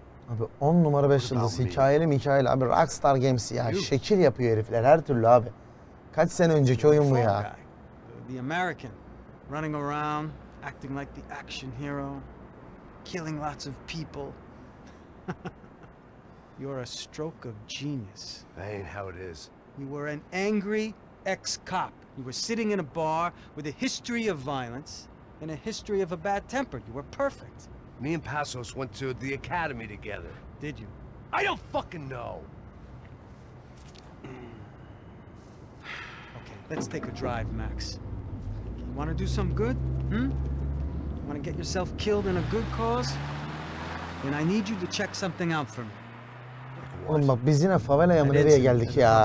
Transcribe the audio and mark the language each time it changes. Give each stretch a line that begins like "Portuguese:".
Turkish: Abi 10 numara 5 yıldız hikayeli mikayeli abi Rockstar Games ya şekil yapıyor herifler her türlü abi. Kaç sene önceki oyun bu ya?
English: The American running around acting like the action hero, killing lots of people. You're a stroke of genius. That ain't how it is. You were an angry ex-cop. You were sitting in a bar with a history of violence and a history of a bad temper. You were perfect. Me and Passos went to the academy together. Did you? I don't fucking know. Okay, let's take a drive, Max. You want to do some good? Hmm? You want to get yourself killed in a good cause? Then I need you to check something out for me.
Turkish: Oğlum bak biz yine favelaya mı nereye geldik ya?